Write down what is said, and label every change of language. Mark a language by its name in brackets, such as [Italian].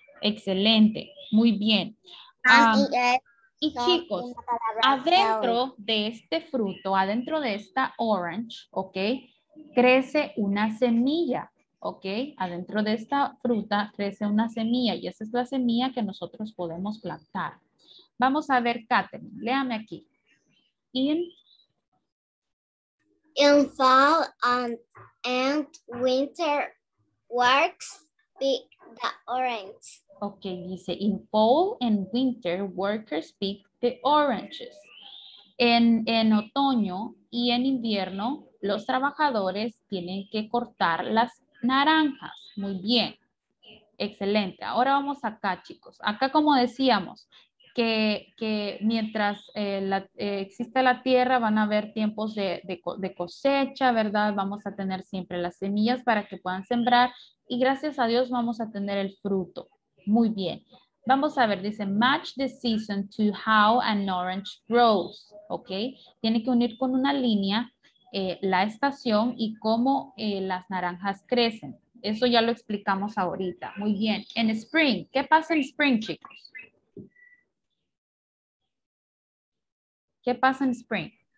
[Spanish] Excelente, muy bien. Y chicos, adentro de este fruto, adentro de esta orange, ¿ok? Crece una semilla, ¿ok? Adentro de esta fruta crece una semilla y esa es la semilla que nosotros podemos plantar. Vamos a ver, Katherine, léame aquí. [English] In fall and winter works pick the orange. [Spanish] Ok, dice, [English] in fall and winter workers pick the oranges. [Spanish] En otoño y en invierno, los trabajadores tienen que cortar las naranjas. Muy bien. Excelente. Ahora vamos acá, chicos. Acá, como decíamos, que mientras exista la tierra, van a haber tiempos de cosecha, ¿verdad? Vamos a tener siempre las semillas para que puedan sembrar. Y gracias a Dios vamos a tener el fruto. Muy bien. Vamos a ver, dice, [English] match the season to how an orange grows. ¿Ok? [Spanish] Tiene que unir con una línea la estación y cómo las naranjas crecen. Eso ya lo explicamos ahorita. Muy bien. En spring, ¿qué pasa en spring, chicos? ¿Qué pasa en spring?